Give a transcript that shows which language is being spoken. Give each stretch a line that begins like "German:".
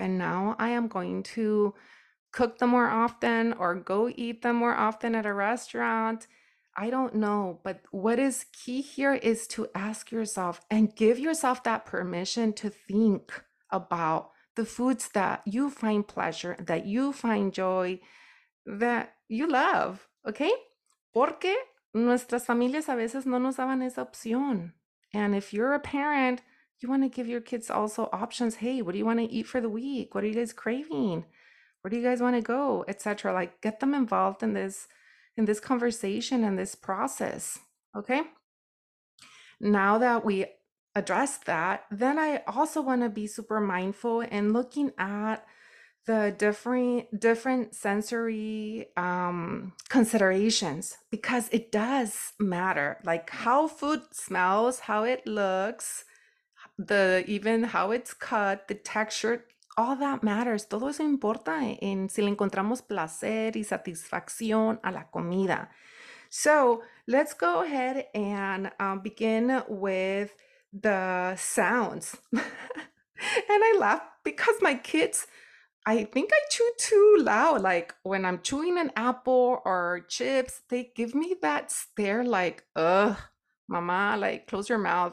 English: And now I am going to cook them more often or go eat them more often at a restaurant. I don't know. But what is key here is to ask yourself and give yourself that permission to think about the foods that you find pleasure, that you find joy, that you love. Okay?
Spanish: Porque nuestras familias a veces no nos daban esa opción.
English: And if you're a parent, you want to give your kids also options. Hey, what do you want to eat for the week? What are you guys craving? Where do you guys want to go? Et cetera. Like, get them involved in this conversation and this process. Okay. Now that we address that, then I also want to be super mindful and looking at the different sensory considerations, because it does matter, like how food smells, how it looks, the even how it's cut, the texture, all that matters.
Spanish: Todo eso importa en si le encontramos placer y satisfacción a la comida.
English: So let's go ahead and begin with the sounds. And I laugh because my kids, I think I chew too loud. Like when I'm chewing an apple or chips, they give me that stare like, ugh, mama, like close your mouth.